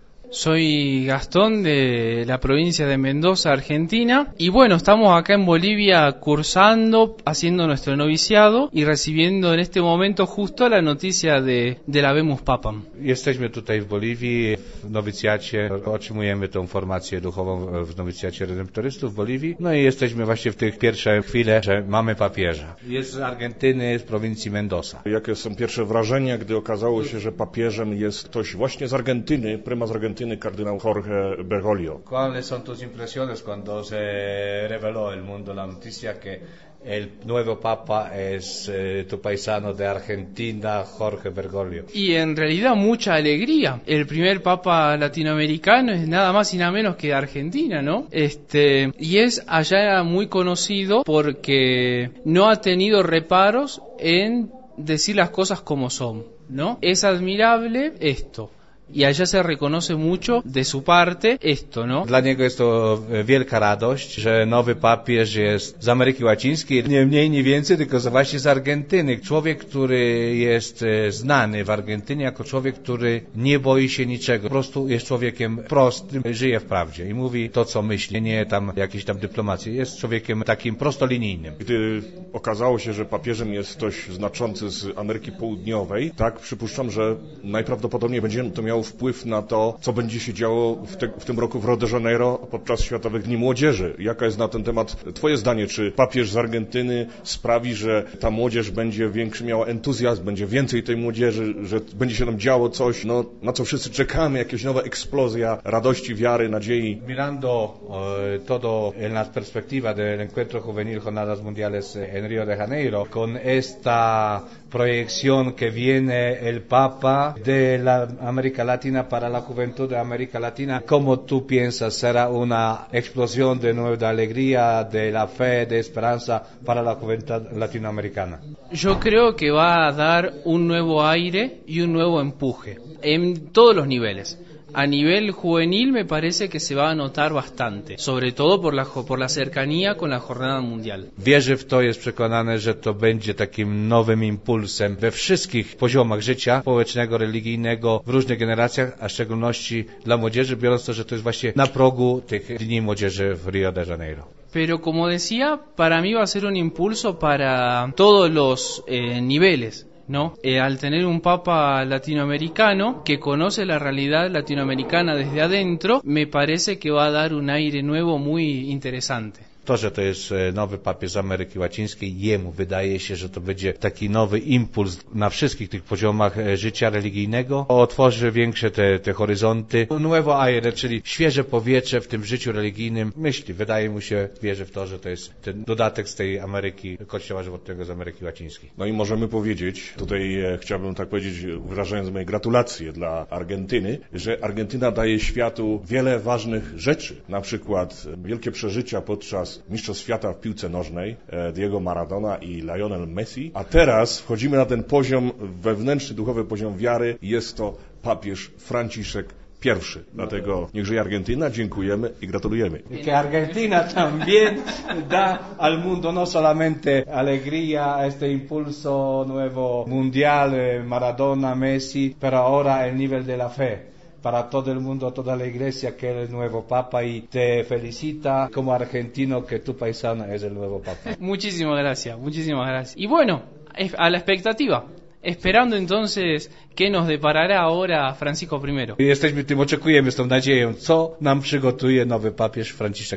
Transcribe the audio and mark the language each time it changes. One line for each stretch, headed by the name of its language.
Spanish: Soy Gastón de la provincia de Mendoza, Argentina. Y bueno, estamos acá en Bolivia cursando, haciendo nuestro noviciado y recibiendo en este momento justo la noticia de la Vemus Papam.
Polish: Jesteśmy tutaj w Boliwii, w nowicjacie. Otrzymujemy tą formację duchową w nowicjacie redemptorystów w Boliwii. No i jesteśmy właśnie w tych pierwszej chwile, że mamy papieża. Jest z Argentyny, z prowincji Mendoza. Jakie są pierwsze wrażenia, gdy okazało się, że papieżem jest ktoś właśnie z Argentyny, prymas Argentyny? Kardynał Jorge Bergoglio.
Spanish: ¿Cuáles son tus impresiones cuando se reveló el mundo la noticia que el nuevo papa es tu paisano de Argentina, Jorge Bergoglio? Y en realidad mucha alegría. El primer papa latinoamericano es nada más y nada menos que de Argentina, ¿no? Y es allá muy conocido porque no ha tenido reparos en decir las cosas como son, ¿no? Es admirable esto. Y allá se reconoce mucho de su parte esto, ¿no?
Polish: Dla niego jest to wielka radość, że nowy papież jest z Ameryki Łacińskiej, nie mniej, nie więcej, tylko właśnie z Argentyny. Człowiek, który jest znany w Argentynie jako człowiek, który nie boi się niczego. Po prostu jest człowiekiem prostym, żyje w prawdzie i mówi to, co myśli, nie tam jakieś tam dyplomacje. Jest człowiekiem takim prostolinijnym. Gdy okazało się, że papieżem jest ktoś znaczący z Ameryki Południowej, tak przypuszczam, że najprawdopodobniej będziemy to miał wpływ na to, co będzie się działo w tym roku w Rio de Janeiro podczas Światowych Dni Młodzieży. Jaka jest na ten temat twoje zdanie? Czy papież z Argentyny sprawi, że ta młodzież będzie większy, miała entuzjazm, będzie więcej tej młodzieży, że będzie się tam działo coś, no, na co wszyscy czekamy, jakaś nowa eksplozja radości, wiary, nadziei?
Spanish: Mirando todo en la perspectiva del encuentro juvenil jornadas mundiales en Rio de Janeiro, con esta proyección que viene el Papa de la América Latina para la juventud de América Latina. ¿Cómo tú piensas? ¿Será una explosión de nueva alegría, de la fe, de esperanza para la juventud latinoamericana? Yo creo que va a dar un nuevo aire y un nuevo empuje en todos los niveles. A nivel juvenil me parece que se va a notar bastante, sobre todo por la cercanía con la jornada mundial.
Polish: Wierzę w to, jest przekonany, że to będzie takim nowym impulsem we wszystkich poziomach życia społecznego, religijnego, w różnych generacjach, a w szczególności dla młodzieży, biorąc to, że to jest właśnie na progu tych Dni Młodzieży w Rio de Janeiro.
Spanish: Pero como decía, para mí va a ser un impulso para todos los niveles. No, al tener un papa latinoamericano que conoce la realidad latinoamericana desde adentro, me parece que va a dar un aire nuevo muy interesante.
Polish: To, że to jest nowy papież z Ameryki Łacińskiej, jemu wydaje się, że to będzie taki nowy impuls na wszystkich tych poziomach życia religijnego. Otworzy większe te horyzonty.
Spanish: Nuevo aire,
Polish: czyli świeże powietrze w tym życiu religijnym. Myśli, wydaje mu się, wierzy w to, że to jest ten dodatek z tej Ameryki, Kościoła Żywotnego z Ameryki Łacińskiej. No i możemy powiedzieć, tutaj chciałbym tak powiedzieć, wyrażając moje gratulacje dla Argentyny, że Argentyna daje światu wiele ważnych rzeczy. Na przykład wielkie przeżycia podczas Mistrzostw Świata w piłce nożnej Diego Maradona i Lionel Messi. A teraz wchodzimy na ten poziom wewnętrzny, duchowy poziom wiary. Jest to papież Franciszek I. Dlatego niech żyje Argentyna, dziękujemy i gratulujemy.
Spanish: Que Argentina también da al mundo no solamente alegría, este impulso nuevo mundial, Maradona, Messi, pero ahora el nivel de la fe. Para todo el mundo, toda la iglesia, que es el nuevo papa y te felicita como argentino que tu paisano es el nuevo papa. Muchísimas gracias, muchísimas gracias. Y bueno, a la expectativa. Esperando entonces qué nos deparará ahora Francisco I.
Polish: Jesteśmy tym, oczekujemy z tą nadzieją, co nam przygotuje nowy papież Franciszek.